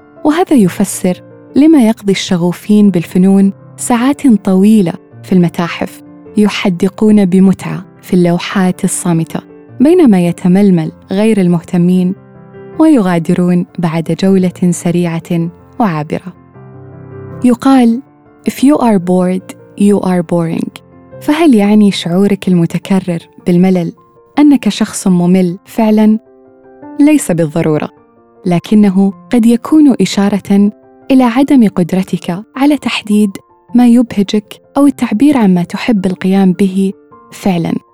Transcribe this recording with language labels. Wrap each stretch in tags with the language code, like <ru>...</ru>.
<ar>وهذا يفسر لما يقضي الشغوفين بالفنون ساعات طويلة في المتاحف، يحدقون بمتعة في اللوحات الصامتة، بينما يتململ غير المهتمين ويغادرون بعد جولة سريعة وعابرة. يقال</ar> <en>If you are bored, you are boring.</en> <ar>فهل يعني شعورك المتكرر بالملل أنك شخص ممل فعلاً؟ ليس بالضرورة، لكنه قد يكون إشارة إلى عدم قدرتك على تحديد ما يبهجك أو التعبير عما تحب القيام به فعلاً.</ar>